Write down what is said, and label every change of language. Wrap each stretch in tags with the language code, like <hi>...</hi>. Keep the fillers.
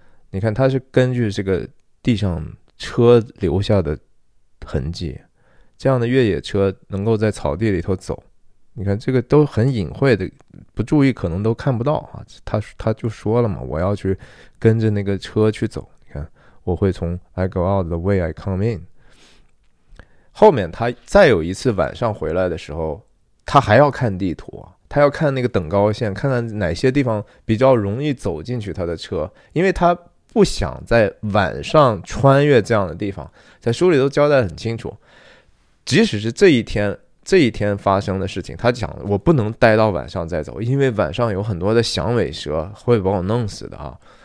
<zh>你看，他是根据这个地上车留下的痕迹，这样的越野车能够在草地里头走。你看，这个都很隐晦的，不注意可能都看不到啊。他他就说了嘛，我要去跟着那个车去走。你看，我会从</zh> <en>I go out the way I come in。</en> <zh>后面他再有一次晚上回来的时候。他还要看地图他要看那个等高线，看看哪些地方比较容易走进去他的车，因为他不想在晚上穿越这样的地方。在书里都交代很清楚，即使是这一天这一天发生的事情，他讲我不能待到晚上再走，因为晚上有很多的响尾蛇会把我弄死的啊。</zh>